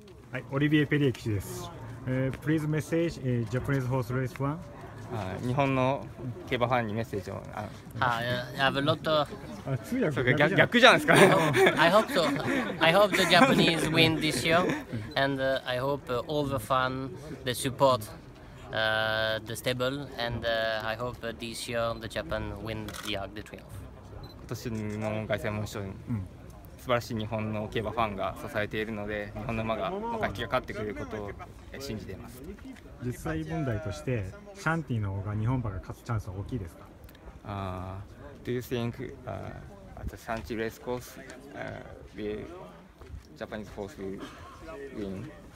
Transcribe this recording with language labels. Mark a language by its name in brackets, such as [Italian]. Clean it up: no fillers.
[Japanese] はい、オリビエ・ペリエ騎手です。 [English] Please message Japanese horse race fan。 [Japanese] 日本の競馬ファンにメッセージを。あ、やぶロット。あ、通訳逆じゃないですか。 [English] I hope so. I hope the Japanese win this year, and I hope all the fan, the support, the stable, and I hope this year the Japan win the Arc de Triomphe。 [Japanese] 今年の凱旋門賞に。素晴らしい日本の競馬ファンが支えているので、日本の馬がマカヒキが勝ってくれることを信じています。実際問題としてシャンティの方が日本馬が勝つチャンスは大きいですか？ [English] Do you think at the Shanti race course the Japanese horse will win?